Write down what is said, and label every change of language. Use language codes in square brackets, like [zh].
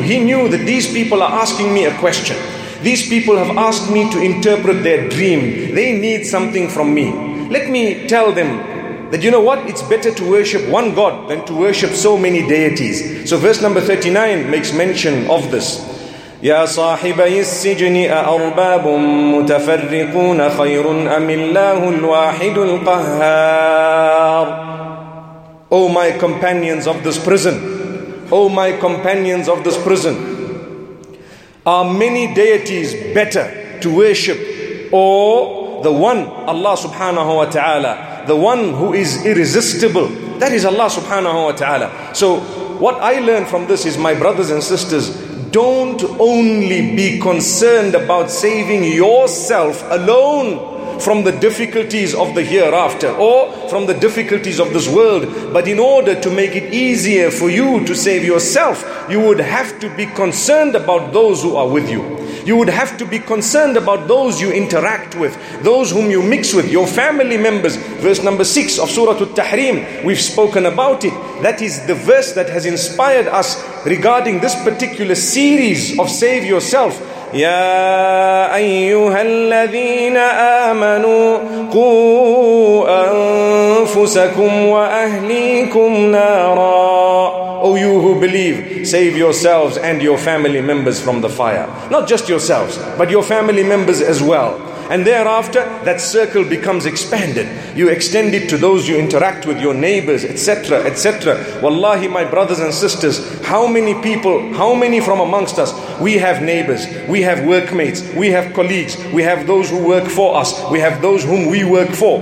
[en] He knew that these people are asking me a question. These people have asked me to interpret their dream. They need something from me. Let me tell them that, you know what? It's better to worship one God than to worship so many deities. So verse number 39 makes mention of this. [ar] يا صاحبي السجن أأرباب متفرقون خير أم الله الواحد القهار. [en] O my companions of this prison, O my companions of this prison, are many deities better to worship or the one Allah subhanahu wa ta'ala, the one who is irresistible? That is Allah subhanahu wa ta'ala. So what I learned from this is, my brothers and sisters, don't only be concerned about saving yourself alone from the difficulties of the hereafter or from the difficulties of this world. But in order to make it easier for you to save yourself, you would have to be concerned about those who are with you. You would have to be concerned about those you interact with, those whom you mix with, your family members. Verse number 6 of Surah Al-Tahrim, we've spoken about it. That is the verse that has inspired us regarding this particular series of Save Yourself. [ar] يا أيها الذين آمنوا قوا أنفسكم وأهليكم نارا. [en] O you who believe, save yourselves and your family members from the fire. Not just yourselves, but your family members as well. And thereafter, that circle becomes expanded. You extend it to those you interact with, your neighbors, etc., etc. Wallahi, my brothers and sisters, how many from amongst us, we have neighbors, we have workmates, we have colleagues, we have those who work for us, we have those whom we work for.